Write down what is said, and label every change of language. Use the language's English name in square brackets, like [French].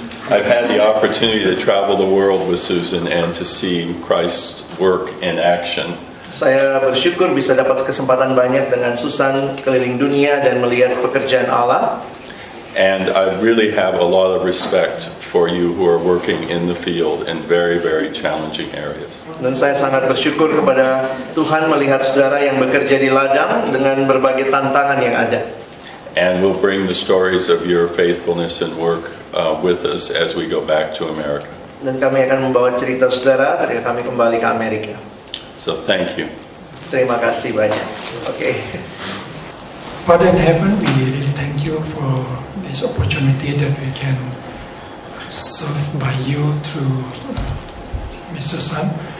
[English] I've had the opportunity to travel the world with Susan and to see Christ's work in action. [Indonesian] Saya bersyukur bisa dapat kesempatan banyak dengan Susan keliling dunia dan melihat pekerjaan Allah. [English] And I really have a lot of respect for you who are working in the field in very, very challenging areas. [Indonesian] Dan saya sangat bersyukur kepada Tuhan melihat saudara yang bekerja di ladang dengan berbagai tantangan yang ada. [English] And we'll bring the stories of your faithfulness and work with us as we go back to America. [Indonesian] Dan kami akan membawa cerita saudara ketika kami kembali ke Amerika. [English] So thank you. [Indonesian] Terima kasih banyak. Okay. [English] Father in heaven, we really thank you for this opportunity that we can serve by you through Mr. Sun.